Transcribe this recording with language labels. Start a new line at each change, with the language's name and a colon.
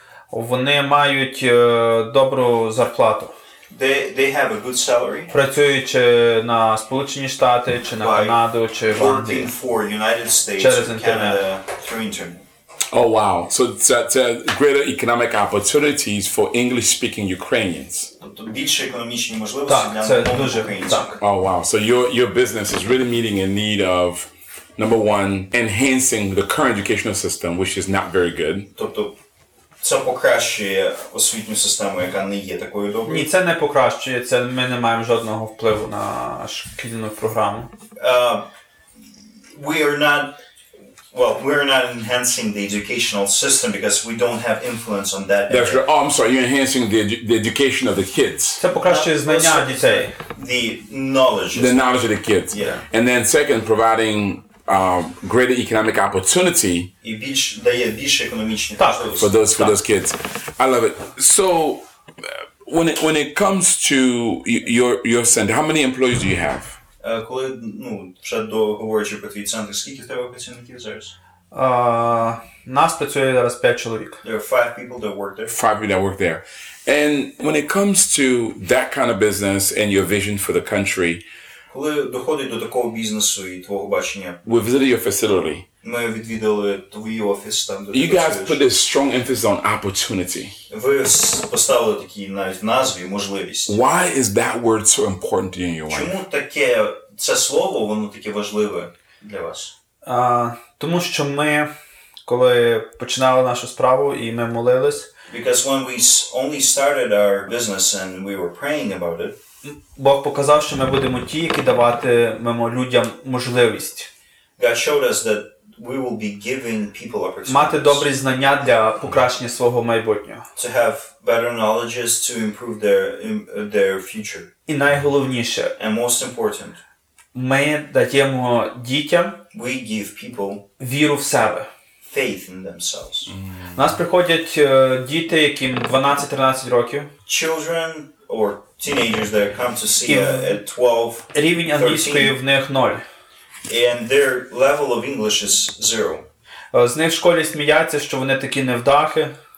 Ukrainian: Вони мають добру зарплату.
English: They have a good salary.
Ukrainian: Працюючи на Сполучені Штати чи на Канаду чи в Англії.
English: Working for United States
Ukrainian: через інтернет.
English: Through internet. Oh wow. So that's a greater economic opportunities for English speaking Ukrainians.
Ukrainian: Тобто більше економічні можливості для мовних українців.
English: Oh wow. So your business is really meeting a need of number one, enhancing the current educational system, which is not very good.
Ukrainian: Тобто це покращує освітню систему, яка не є такою доброю. Ні, це не покращує, це ми не маємо жодного впливу на шкільну програму.
English: We're not enhancing the educational system because we don't have influence on that. That's right. Oh, I'm sorry. You're enhancing the education of the kids.
Ukrainian: Це покращує знання дітей.
English: The knowledge. The knowledge of the kids. Yeah. And then second, providing greater economic opportunity. І більше економічні можливості. For those kids. I love it. So when it comes to your center, how many employees do you have?
Ukrainian: Коли, ну, вже договорюючи про твій центр, скільки в тебе працівників зараз? Нас працює зараз 5 чоловік.
English: There are 5 people that work there. 5 people that work there. And when it comes to that kind of business and your vision for the country,
Ukrainian: Коли доходить до такого бізнесу і твого бачення.
English: We visited your facility.
Ukrainian: Ми відвідали твій офіс там, де
English: you
Ukrainian: ти
English: guys put a strong emphasis on opportunity.
Ukrainian: Ви поставили такі навіть назві можливість.
English: Why is that word so important to you in your life?
Ukrainian: Чому таке це слово, воно таке важливе для вас? Тому що ми коли починали нашу справу і ми молились.
English: Because when we only started our business and we were praying about it.
Ukrainian: Бог показав, що ми будемо ті, які даватимемо людям можливість.
English: God showed us that we will be giving people opportunities.
Ukrainian: Мати добрі знання для покращення свого майбутнього.
English: To have better knowledge to improve their future.
Ukrainian: І найголовніше.
English: And most important.
Ukrainian: Ми даємо дітям
English: we give people
Ukrainian: віру в себе.
English: Faith in themselves. Mm.
Ukrainian: У нас приходять діти, яким 12-13 років.
English: Children or teenagers that come to see at 12, 13.
Ukrainian: Рівень англійської в них ноль.
English: And their level of English is zero.
Ukrainian: З них в школі сміяться, що вони такі невдахи.